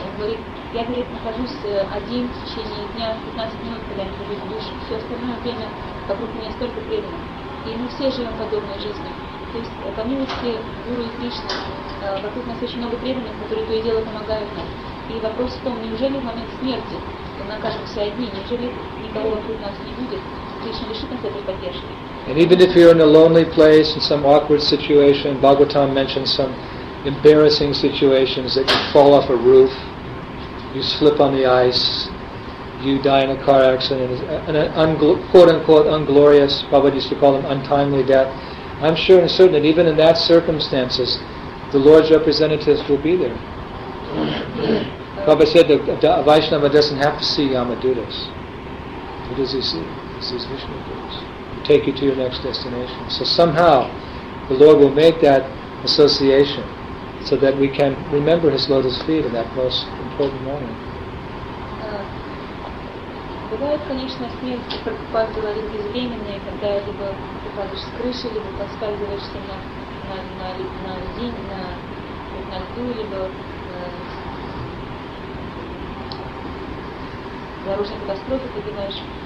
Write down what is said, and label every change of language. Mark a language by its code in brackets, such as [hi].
[ru] Он говорит, я, говорит, нахожусь один в течение дня, 15 минут, когда я нахожусь в душе, все остальное время вокруг меня столько преданных. И мы все живем подобной жизнью. То есть, по милости Гуру и Кришны, вокруг нас очень много преданных, которые то и дело помогают нам. И вопрос в том, неужели в момент смерти мы окажемся одни, неужели никого вокруг нас не будет? [en] And even if you're in a lonely place, in some awkward situation, Bhagavatam mentions some embarrassing situations that you fall off a roof, you slip on the ice, you die in a car accident, and an quote-unquote unglorious, Prabhupada used to call them untimely death. I'm sure and certain that even in that circumstances, the Lord's representatives will be there. Prabhupada said that a Vaishnava doesn't have to see Yamadutas. Who does he see? This is Vishnu Gurus. Take you to your next destination. So somehow, the Lord will make that association so that we can remember His lotus feet in that most important moment. [ru] Бывает, конечно, смерть, как Прабхупада говорит, безвременная, когда либо ты падаешь с крыши, либо поскальзываешься на льду, либо дорожной катастрофе ты понимаешь.